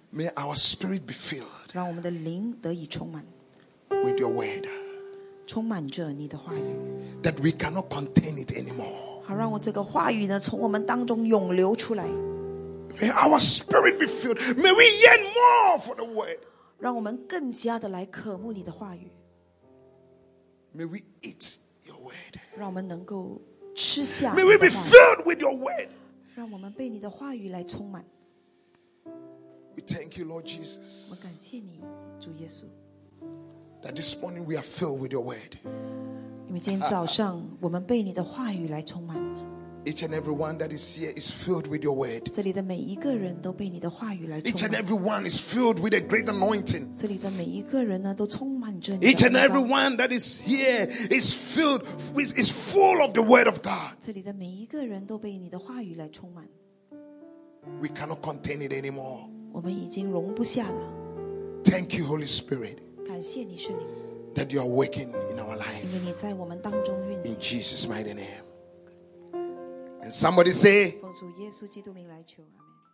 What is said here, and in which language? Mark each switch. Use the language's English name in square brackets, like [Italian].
[English] May our spirit be filled. [Chinese] 让我们的灵得以充满。 [English] With your word. [Chinese] 充满着你的话语。 [English] That we cannot contain it anymore. [Chinese] 让我这个话语呢从我们当中涌流出来。 [English] May our spirit be filled. May we yearn more for the word. [Chinese] 让我们更加的来渴慕你的话语。 [English] May we eat your word. [Chinese] 让我们能够吃下。 [English] May we be filled with your word. [Chinese] 让我们被你的话语来充满。 [English] We We thank you, Lord Jesus. [Chinese] 我感谢你，主耶稣。 [English] That this morning we are filled with your word. [Chinese] 因为今天早上我们被你的话语来充满。 [English] Each and every one that is here is filled with your word. [Chinese] 这里的每一个人都被你的话语来充满。 [English] Each and every one is filled with a great anointing. [Chinese] 这里的每一个人呢都充满着你。 [English] Each and every one that is here is full of the word of God. [Chinese] 这里的每一个人都被你的话语来充满。 [English] We cannot contain it anymore. [Chinese] 我们已经容不下了。 [English] Thank you, Holy Spirit. [Chinese] 感谢你圣灵。 [English] That you are working in our life. [Chinese] 因为你在我们当中运行。 [English] In Jesus' mighty name. And somebody say, [Chinese] 奉主耶稣基督名来求，阿门。